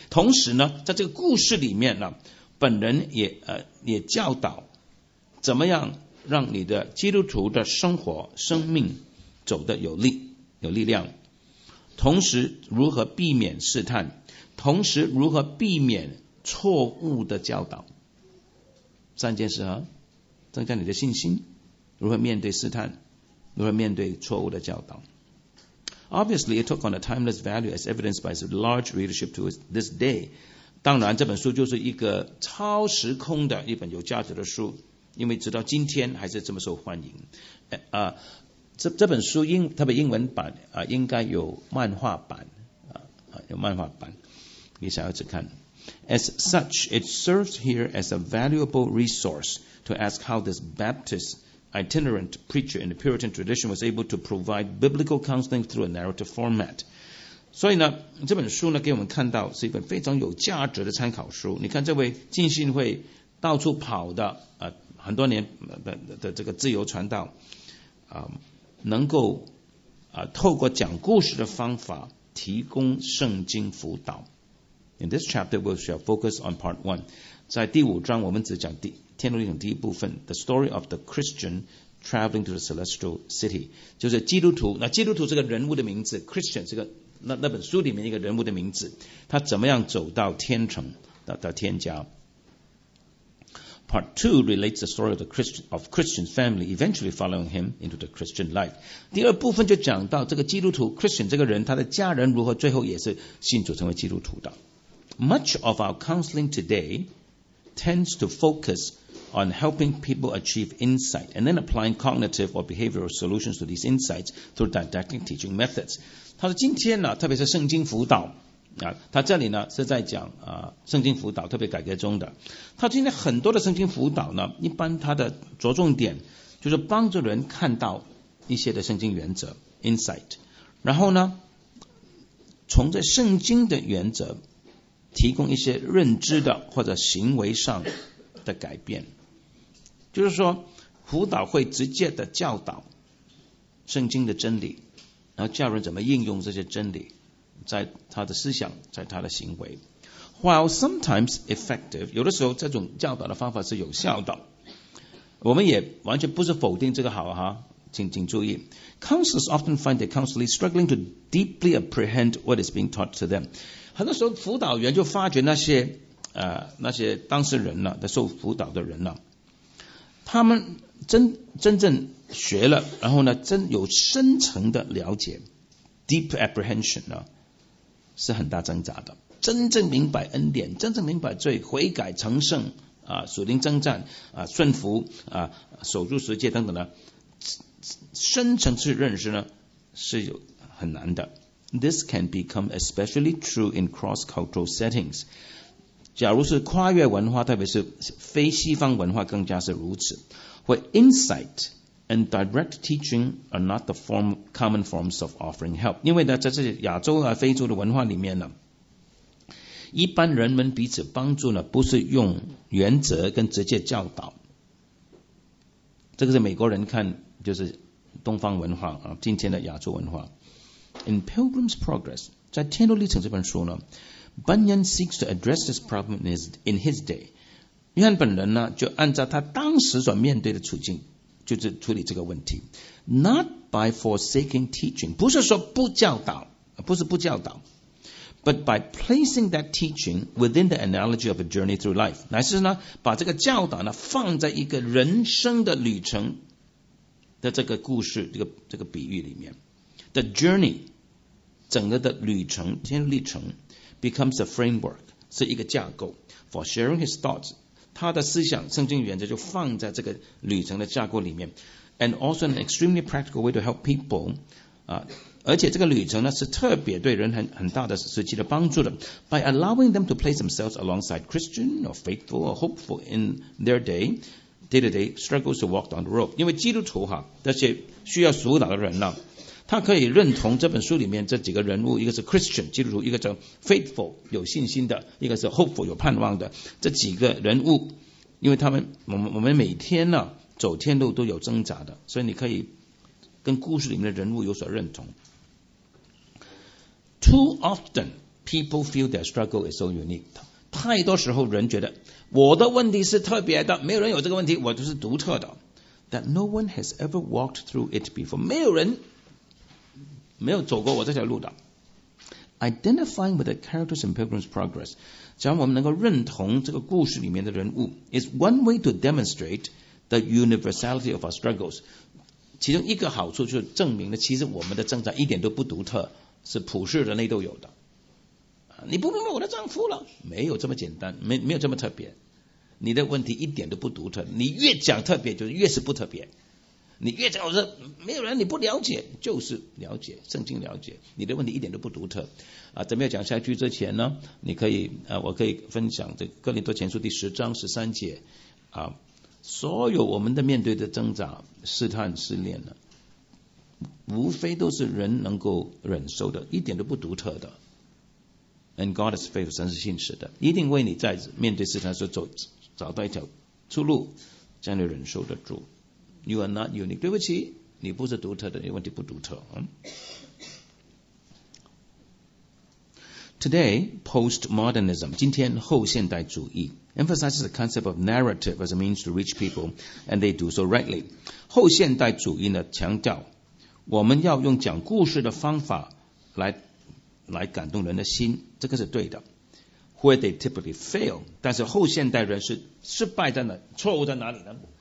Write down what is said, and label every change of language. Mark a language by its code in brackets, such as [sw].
[zh] 同时呢，在这个故事里面呢，本人也教导怎么样让你的基督徒的生活生命走得有力有力量，同时如何避免试探，同时如何避免错误的教导，三件事啊，增加你的信心，如何面对试探，如何面对错误的教导。 [en] Obviously it took on a timeless value as evidenced by its large readership to this day. [zh] 当然这本书就是一个超时空的一本有价值的书，因为直到今天还是这么受欢迎。这本书特别英文版应该有漫画版有漫画版给小孩子看。 [en] As such, it serves here as a valuable resource to ask how this Baptist itinerant preacher in the Puritan tradition was able to provide biblical counseling through a narrative format. [zh] 所以呢，这本书呢给我们看到是一本非常有价值的参考书。你看这位浸信会到处跑的很多年 的这个自由传道能够透过讲故事的方法提供圣经辅导。 [en] In this chapter we shall focus on part one. [zh] 在第五章我们只讲天路历程第一部分， [en] The story of the Christian traveling to the celestial city. [zh] 就是基督徒，那基督徒这个人物的名字， Christian 这个 那本书里面一个人物的名字，他怎么样走到天城 到天家。 [en] Part 2 relates the story of Christian's family eventually following him into the Christian life. [zh] 第二部分就讲到这个基督徒 Christian 这个人他的家人如何最后也是信主成为基督徒的。 [en] Much of our counseling today tends to focus on helping people achieve insight and then applying cognitive or behavioral solutions to these insights through didactic teaching methods. [zh] 他说今天呢，特别是圣经辅导他这里呢是在讲圣经辅导，特别改革中的。他今天很多的圣经辅导呢，一般他的着重点就是帮助人看到一些的圣经原则 insight， 然后呢，从这圣经的原则提供一些认知的或者行为上的改变。就是说，辅导会直接的教导圣经的真理，然后教人怎么应用这些真理。在他的思想，在他的行为。 [en] While sometimes effective， [zh] 有的时候这种教导的方法是有效的，我们也完全不是否定这个好哈， 请注意。 [en] Counselors often find their counselee struggling to deeply apprehend what is being taught to them. [zh] 很多时候辅导员就发觉那些当事人的受辅导的人他们 真正学了，然后呢真有深层的了解， deep apprehension 是很大挣扎的，真正明白恩典，真正明白罪，悔改成圣属灵征战顺服守住十诫等等呢，深层次认识呢是有很难的。 [en] This can become especially true in cross-cultural settings. [zh] 假如是跨越文化，特别是非西方文化更加是如此。 [en] Where insight and direct teaching are not the common forms of offering help. [zh] 因为呢，在这亚洲和非洲的文化里面呢，一般人们彼此帮助呢，不是用原则跟直接教导。这个是美国人看，就是东方文化啊，今天的亚洲文化。 [en] In Pilgrim's Progress, [zh] 在天路历程这本书呢， [en] Bunyan seeks to address this problem in his day. [zh] 约翰本人呢，就按照他当时所面对的处境就是处理这个问题。 [en] Not by forsaking teaching， [zh] 不是说不教导，不是不教导， [en] But by placing that teaching within the analogy of a journey through life， [zh] 乃是呢把这个教导呢放在一个人生的旅程的这个故事这个比喻里面。 [en] The journey， [zh] 整个的旅程，天路历程 [en] becomes a framework， [zh] 是一个架构 [en] for sharing his thoughts， [zh] 他的思想圣经原则就放在这个旅程的架构里面。 [en] And also an extremely practical way to help people、 [zh] 而且这个旅程呢是特别对人 很大的时期的帮助的。 [en] By allowing them to place themselves alongside Christian or faithful or hopeful in their day day-to-day struggles to walk down the road. [zh] 因为基督徒哈，这些需要辅导的人呢，他可以认同这本书里面这几个人物，一个是 Christian 基督徒，一个叫 faithful 有信心的，一个是 hopeful 有盼望的，这几个人物，因为他们我们每天呢走天路都有挣扎的，所以你可以跟故事里面的人物有所认同。 [en] Too often people feel their struggle is so unique. [zh] 太多时候人觉得我的问题是特别的，没有人有这个问题，我就是独特的。 [en] That no one has ever walked through it before. [zh] 没有人没有走过我这条路的。 [en] Identifying with the characters in Pilgrim's Progress, [zh] 只要我们能够认同这个故事里面的人物， [en] is one way to demonstrate the universality of our struggles. [zh] 其中一个好处就是证明了其实我们的挣扎一点都不独特，是普世人类都有的。你不明白我的丈夫了，没有这么简单， 没有这么特别。你的问题一点都不独特，你越讲特别就越是不特别。你越讲我说没有人你不了解，就是了解圣经了解，你的问题一点都不独特。怎么样讲下去之前呢，你可以我可以分享这哥林多前书第十章十三节所有我们的面对的挣扎试探试炼呢，无非都是人能够忍受的，一点都不独特的。 [en] And God is faithful, [zh] 神是信实的，一定为你在面对试探的时候找到一条出路，将你忍受得住。 [en] You are not unique. [zh] 对不起，你不是独特的，你问题不独特。 [en] Today, postmodernism, [zh] 今天后现代主义 [en] emphasizes the concept of narrative as a means to reach people, and they do so rightly. [zh] 后现代主义呢，强调我们要用讲故事的方法来感动人的心，这个是对的。 [en] Where they typically fail, [zh] 但是后现代人是失败在哪，错误在哪里呢？